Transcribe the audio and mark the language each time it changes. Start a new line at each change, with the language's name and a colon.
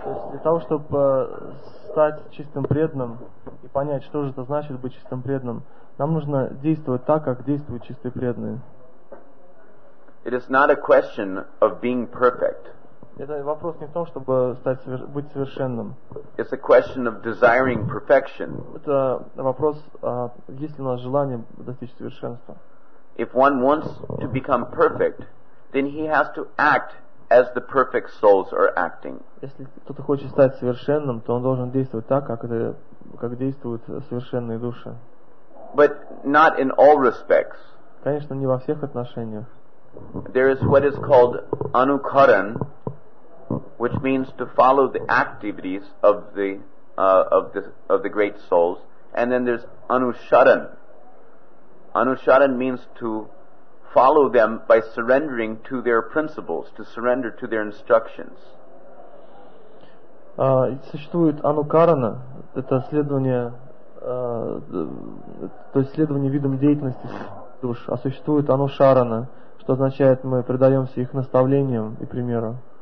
Russian: Для того, чтобы стать чистым преданным и понять, что же это значит быть чистым преданным, Нам нужно действовать так, как действуют чистые преданные.
English: It is not a question of being perfect.
Russian: Это вопрос не в том, чтобы стать быть совершенным.
English: It's a question of desiring perfection.
Russian: Это вопрос, есть ли у нас желание достичь совершенства.
English: If one wants to become perfect, then he has to act as the perfect souls are acting.
Russian: Если кто-то хочет стать совершенным, то он должен действовать так, как действуют совершенные души.
English: But not in all respects.
Russian: Конечно, не во всех отношениях.
English: There is what is called anukaran, which means to follow the activities of the great souls, and then there's anushadan. Anushadan means to follow them by surrendering to their principles, to surrender to their instructions.
Russian: Существует анукарана, это следование, то есть следование видам деятельности душ, а существует анушарана, что означает мы предаемся их наставлениям и примеру.